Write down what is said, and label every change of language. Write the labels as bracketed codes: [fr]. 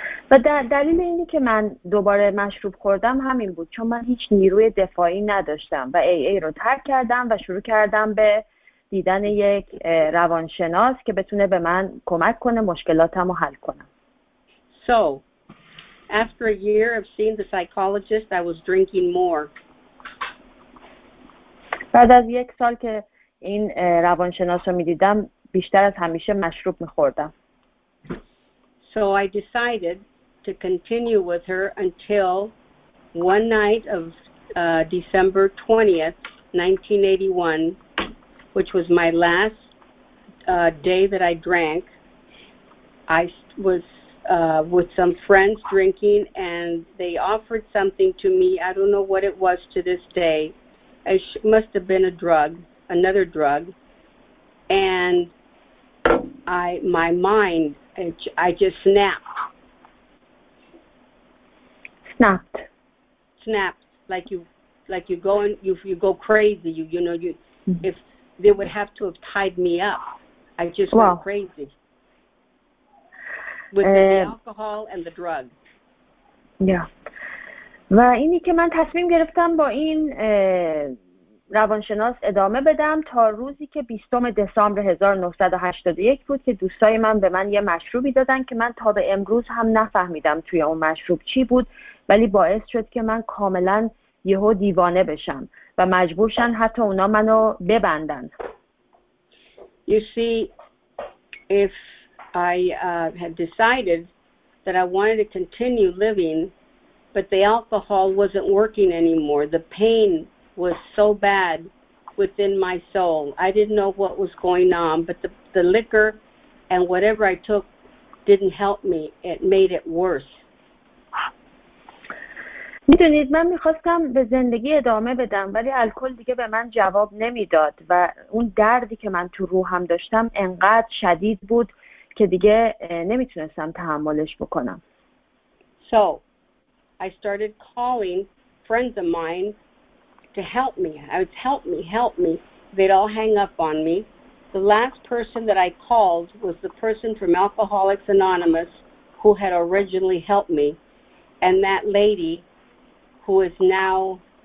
[fa] و دلیل اینی که من دوباره مشروب خوردم همین بود چون من هیچ نیروی دفاعی نداشتم و AA رو ترک کردم و شروع کردم به دیدن یک روانشناس که بتونه به من کمک کنه مشکلاتم رو حل کنم. [en] So after a year of seeing the psychologist, I was drinking more. [fa] بعد از یک سال که این روانشناس رو می‌دیدم، بیشتر از همیشه مشروب می‌خوردم. [en] So I decided to continue with her until one night of December 20th, 1981, which was my last day that I drank. I was with some friends drinking and they offered something to me. I don't know what it was to this day. It must have been a drug, another drug. And my mind just snapped. Snapped. Snapped. Like you go crazy. If they would have to have tied me up. I just went crazy. With the alcohol and the drug. [fa] Yeah. و اینی که من تصمیم گرفتم با این روانشناس ادامه بدم تا روزی که 20 دسامبر 1981 بود که دوستای من به من یه مشروبی دادن که من تا به امروز هم نفهمیدم توی اون مشروب چی بود ولی باعث شد که من کاملا یهو دیوانه بشم و مجبور شن حتی اونا منو ببندن. [en] You see, if I had decided that I wanted to continue living, but the alcohol wasn't working anymore. The pain was so bad within my soul. I didn't know what was going on, but the liquor and whatever I took didn't help me. It made it worse. [fa] می‌دونید من می‌خواستم به زندگی ادامه بدم ولی الکل دیگه به من جواب نمی‌داد و اون دردی که من تو روحم داشتم انقدر شدید بود که دیگه نمیتونستم تحملش بکنم. [en] So I started calling friends of mine to help me. I would help me, help me. They'd all hang up on me. The last person that I called was the person from Alcoholics Anonymous who had originally helped me, and that lady who is now